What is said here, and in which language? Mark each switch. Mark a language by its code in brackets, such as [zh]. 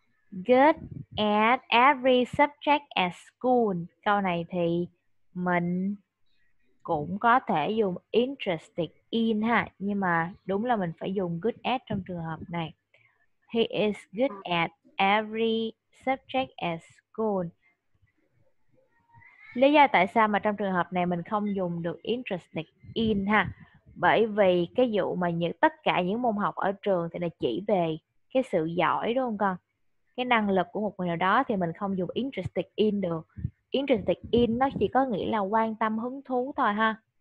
[en] Good at every subject at school. [vi] Câu này thì mình cũng có thể dùng interested in ha. Nhưng mà đúng là mình phải dùng good at trong trường hợp này. [en] He is good at every subject at school. [vi] Lý do tại sao mà trong trường hợp này mình không dùng được interested in ha? Bởi vì cái dụ mà những tất cả những môn học ở trường thì là chỉ về cái sự giỏi đúng không con? Cái năng lực của một người nào đó thì mình không dùng interested in được. Interested in nó chỉ có nghĩa là quan tâm hứng thú thôi ha.